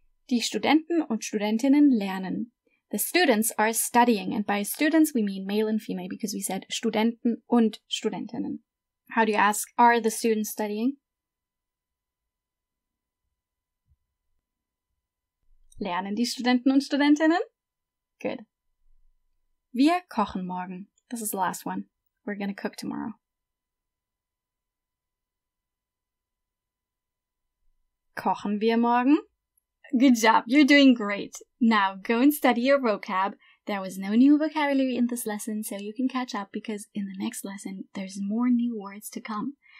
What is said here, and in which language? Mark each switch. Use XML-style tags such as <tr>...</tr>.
<de>Die Studenten und Studentinnen lernen.</de> <en>The students are studying, and by students we mean male and female because we said</en> <de>Studenten und Studentinnen.</de> <en>How do you ask, are the students studying?</en> <de>Lernen die Studenten und Studentinnen?</de> <en>Good.</en> <de>Wir kochen morgen.</de> <en>This is the last one. We're going to cook tomorrow.</en> <de>Kochen wir morgen?</de> <en>Good job. You're doing great. Now, go and study your vocab. There was no new vocabulary in this lesson, so you can catch up because in the next lesson, there's more new words to come.</en>